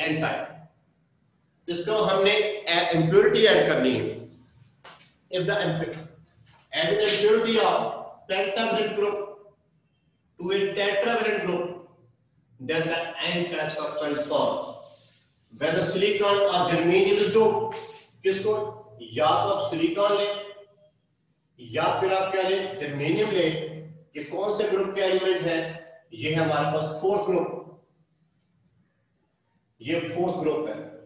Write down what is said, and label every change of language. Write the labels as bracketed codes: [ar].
[hi] N type. इसको हमने impurity add करनी है। [en] If the add the impurity of pentavalent group to a tetravalent group then the n types of cell form. When the silicon or germanium is doped, [hi] किसको? या तो आप silicon लें या फिर आप क्या लें? germanium लें। कि कौन से ग्रुप के एलिमेंट है? ये है हमारे पास फोर्थ ग्रुप, ये फोर्थ ग्रुप है।